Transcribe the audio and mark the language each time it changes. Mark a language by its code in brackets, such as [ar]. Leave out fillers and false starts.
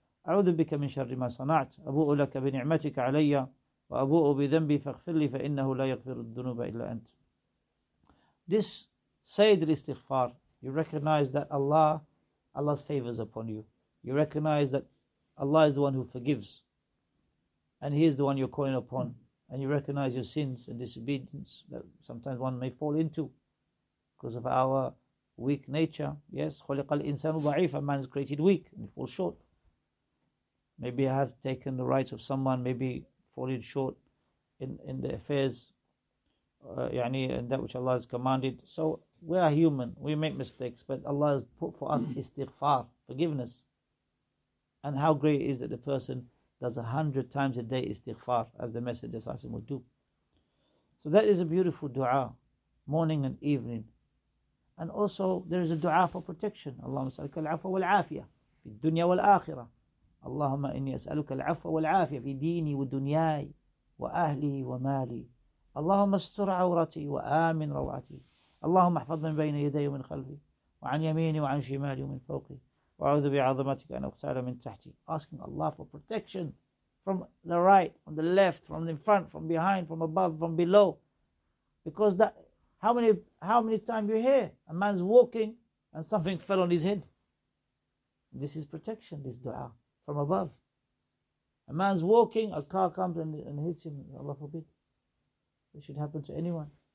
[ar] أعوذ بك من شر ما صنعت أبوء لك بنعمتك علي وأبوء بذنبي فاغفر لي فإنه لا يغفر الذنوب إلا أنت. [en] This Sayyid al-Istighfar, you recognize that Allah's favors upon you. You recognize that Allah is the one who forgives, and He is the one you're calling upon, and you recognize your sins and disobedience that sometimes one may fall into because of our weak nature. Yes, [ar] خلق الإنسان ضعيف, [en] a man is created weak and he falls short. Maybe I have taken the rights of someone, maybe falling short in the affairs, and that which Allah has commanded. So we are human, we make mistakes, but Allah has put for us istighfar, forgiveness. And how great it is that the person does 100 times a day istighfar, as the Messenger Sassim would do. So that is a beautiful dua, morning and evening. And also there is a dua for protection. [ar] Allahumma salika al-afwa wal-afiyah, fi dunya wal-akhirah. اللهم إني أسألك العفو والعافية في ديني ودنياي وأهلي ومالي اللهم استر عورتي وآمن روعتي اللهم احفظ من بين يدي ومن خلفي وعن يميني وعن شمالي ومن فوقي وأعوذ بعظمتك أن أغتال من تحتي. [en] Asking Allah for protection from the right, from the left, from in front, from behind, from above, from below. Because that, how many times you hear a man's walking and something fell on his head? This is protection, this dua. From above. A man's walking, a car comes and hits him, Allah forbid. It should happen to anyone.